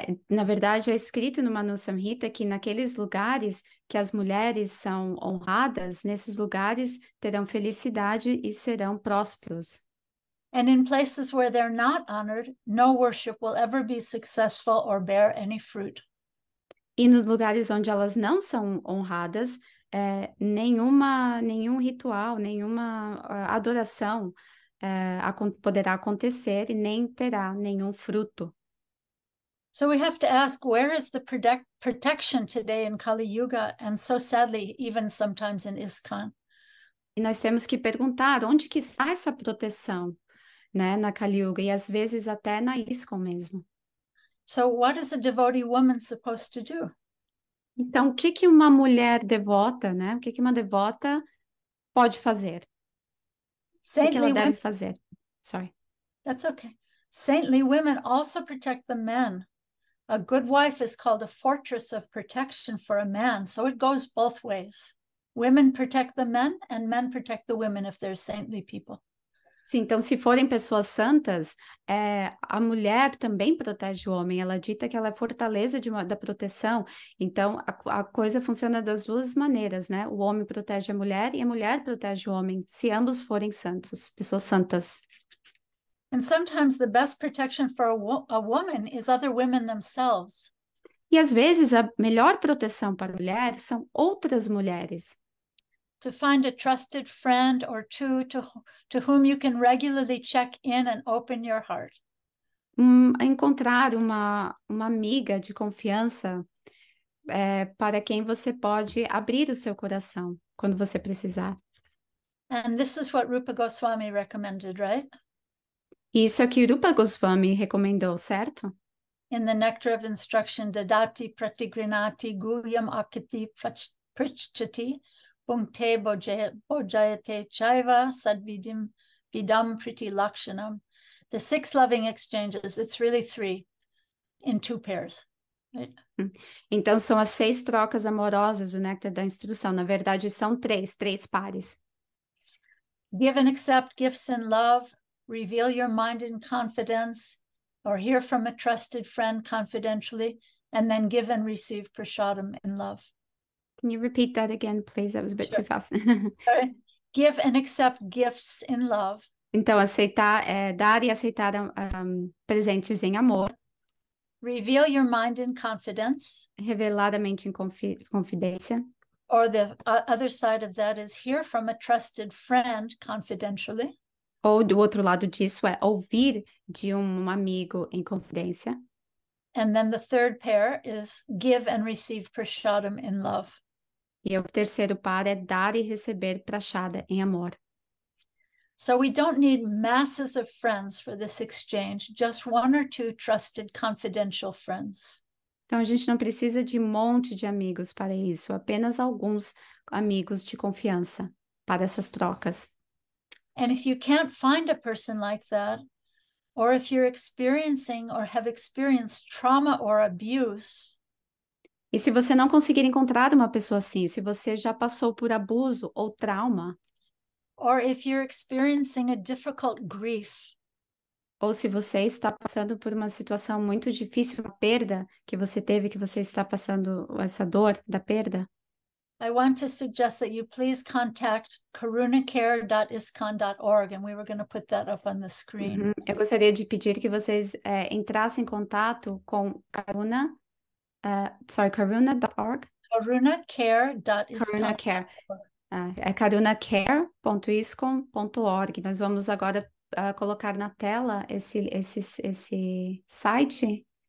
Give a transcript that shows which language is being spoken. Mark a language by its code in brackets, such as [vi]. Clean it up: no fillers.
[pt] Na verdade, é escrito no Manu Samhita que naqueles lugares que as mulheres são honradas, nesses lugares terão felicidade e serão prósperos. [en] And in places where they're not honored, no worship will ever be successful or bear any fruit. [pt] E nos lugares onde elas não são honradas, nenhum ritual, nenhuma adoração poderá acontecer e nem terá nenhum fruto. [en] So we have to ask, where is the protection today in Kali Yuga and so sadly even sometimes in ISKCON? [pt] E nós temos que perguntar, onde que está essa proteção, né, na Kali Yuga e às vezes até na ISKCON mesmo. [en] So what is a devotee woman supposed to do? [pt] Então, o que que uma mulher devota, né? O que que uma devota pode fazer? [en] Saintly, [pt] o que ela deve fazer? [en] Sorry. That's okay. Saintly women also protect the men. A good wife is called a fortress of protection for a man. So it goes both ways. Women protect the men and men protect the women if they're saintly people. [pt] Sim, então se forem pessoas santas, a mulher também protege o homem. Ela dita que ela é fortaleza da proteção. Então, a coisa funciona das duas maneiras, né? O homem protege a mulher e a mulher protege o homem, se ambos forem santos, pessoas santas. [en] And sometimes the best protection for a woman is other women themselves. [pt] E às vezes a melhor proteção para a mulher são outras mulheres. [en] To find a trusted friend or two to whom you can regularly check in and open your heart. [pt] Encontrar uma amiga de confiança para quem você pode abrir o seu coração quando você precisar. [en] And this is what Rupa Goswami recommended, right? [pt] Isso é o que Rupa Goswami recomendou, certo? [en] In the nectar of instruction, [sa] dadati pratigrinati guhyam akiti prachchati. Puncte bojayate chaiva sadvidim vidam priti lakshanam. [en] The six loving exchanges, it's really three in two pairs. Right? [pt] Então, são as seis trocas amorosas, o néctar da instrução. Na verdade, são três pares. [en] Give and accept gifts in love. Reveal your mind in confidence. Or hear from a trusted friend confidentially. And then give and receive prasadam in love. Can you repeat that again, please? That was a bit too fast. Sorry. Give and accept gifts in love. [pt] Então, aceitar, dar e aceitar presentes em amor. [en] Reveal your mind in confidence. [pt] Revelar a mente em confidência. [en] Or the other side of that is hear from a trusted friend confidentially. [pt] Ou do outro lado disso é ouvir de amigo em confidência. [en] And then the third pair is give and receive prasadam in love. [pt] E o terceiro par é dar e receber prasada em amor. [en] So we don't need masses of friends for this exchange, just one or two trusted confidential friends. [pt] Então a gente não precisa de monte de amigos para isso, apenas alguns amigos de confiança para essas trocas. [en] And if you can't find a person like that, or if you're experiencing or have experienced trauma or abuse. [pt] E se você não conseguir encontrar uma pessoa assim, se você já passou por abuso ou trauma. [en] Or if you're experiencing a difficult grief. [pt] ou se você está passando por uma situação muito difícil, uma perda que você teve, que você está passando essa dor da perda, [en] I want to suggest that you please contact karunacare.iscon.org, and we were going to put that up on the screen. [pt] Eu gostaria de pedir que vocês entrassem em contato com Karuna, karuna.org. [en] Karunacare.iscon.org. [pt] É karunacare.iscon.org. Nós vamos agora colocar na tela esse site.